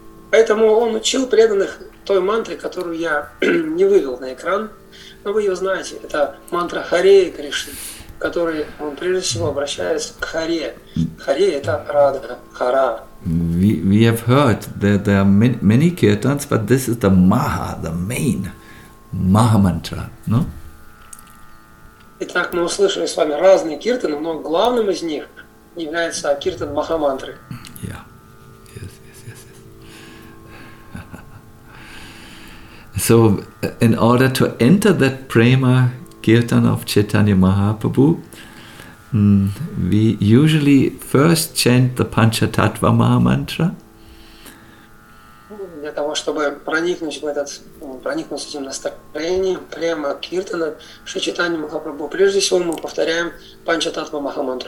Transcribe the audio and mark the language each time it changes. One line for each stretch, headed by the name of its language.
Russian: Поэтому он учил преданных той мантры, которую я не вывел на экран, но вы ее знаете, это мантра Харе Кришна, который он прежде всего обращается к Харе. Харе – это Радха, Хара.
English: We have heard that there are many kirtans, but this is the Maha, the main Maha mantra, no?
Russian: Итак, мы услышали с вами разные киртаны, но главным из них является киртан Маха мантры.
English: So, in order to enter that prema kirtan of Chaitanya Mahaprabhu, we usually first chant the Panchatattva Maha Mantra.
Russian: Для того, чтобы проникнуть в этот, проникнуть с этим настроением, према киртана, Шри Чайтанья Махапрабху, прежде всего мы повторяем Панчататтва Маха Мантра.